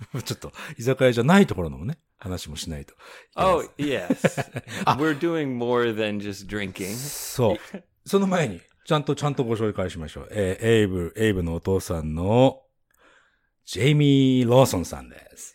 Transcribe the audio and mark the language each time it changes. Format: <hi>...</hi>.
<ja>ちょっと、居酒屋じゃないところのもね、話もしないと。</ja> <en>Oh, yes. We're doing more than just drinking.</en> <ja>そう。その前に、ちゃんとご紹介しましょう。エイブのお父さんの、ジェイミー・ローソンさんです。</ja>